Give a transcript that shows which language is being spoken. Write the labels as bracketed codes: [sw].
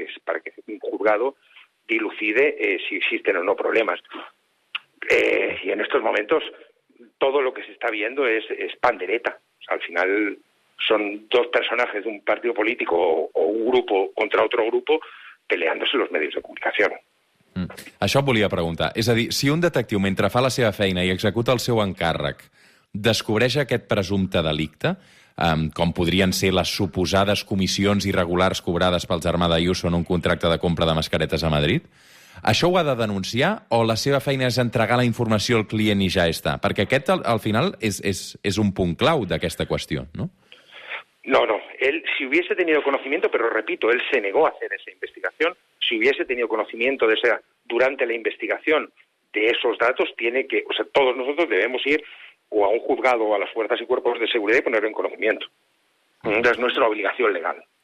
[es] Para que un juzgado dilucide si existen o no problemas. Y en estos momentos todo lo que se está viendo es pandereta. O sea, al final son dos personajes de un partido político o un grupo contra otro grupo peleándose los medios de comunicación. [ca] Això volia preguntar. És a dir, si un detectiu, mentre fa la seva feina i executa el seu encàrrec, descobreix aquest presumpte delicte, com podrien ser les suposades comissions irregulars cobrades pels Armada Ayuso en un contracte de compra de mascaretes a Madrid, això ho ha de denunciar o la seva feina és entregar la informació al client i ja està? Perquè aquest, al final, és un punt clau d'aquesta qüestió, no? No. [es] Él, si hubiese tenido conocimiento, pero repito, él se negó a hacer esa investigación, si hubiese tenido conocimiento de esa, durante la investigación de esos datos, tiene que, o sea, todos nosotros debemos ir o a un juzgado o a las fuerzas y cuerpos de seguridad y ponerlo en conocimiento. Es nuestra obligación legal.